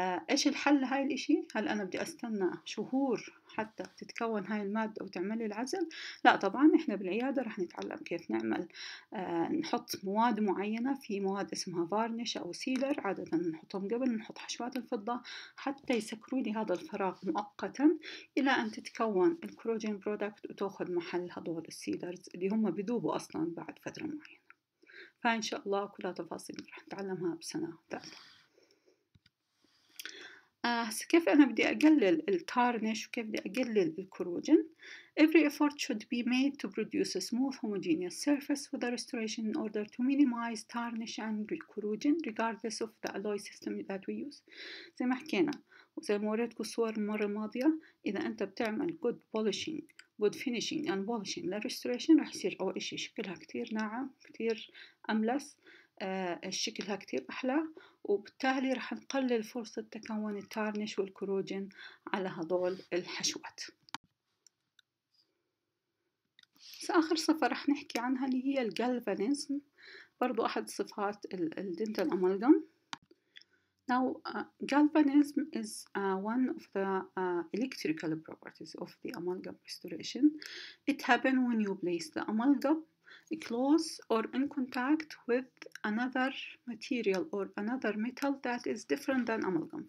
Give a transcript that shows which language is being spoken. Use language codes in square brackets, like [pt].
[ar] إيش الحل لهاي الإشي؟ هل أنا بدي أستنى شهور حتى تتكون هاي المادة وتعمل العزل؟ لا طبعا، إحنا بالعيادة رح نتعلم كيف نعمل نحط مواد معينة، في مواد اسمها فارنش أو سيلر عادة نحطهم قبل نحط حشوات الفضة حتى يسكروا لي هذا الفراغ مؤقتا إلى أن تتكون الكروجين برودكت وتأخذ محل هذول السيلرز اللي هم بيذوبوا أصلا بعد فترة معينة. فإن شاء الله كل تفاصيل رح نتعلمها بسنة ثالثة. هسه كيف أنا بدي أقلل التارنش وكيف بدي أقلل الكروجن؟ [en] Every effort should be made to produce a smooth homogeneous surface with a restoration in order to minimize tarnish and corrosion regardless of the alloy system that we use. [ar] زي ما حكينا وزي ما وريتكوا الصور المرة الماضية، إذا أنت بتعمل [en] good polishing, good finishing and polishing [ar] للrestoration رح يصير أول إشي شكلها كتير ناعم، كتير أملس، الشكلها كتير أحلى، وبالتالي رح نقلل فرصة تكون التارنش والكروجين على هذول الحشوات. آخر صفة رح نحكي عنها اللي هي الجالفانيزم، برضو أحد صفات الدنتال أمالغام. [en] Now galvanism is one of the electrical properties of the amalgam restoration. It happens when you place the amalgam close or in contact with another material or another metal that is different than amalgam.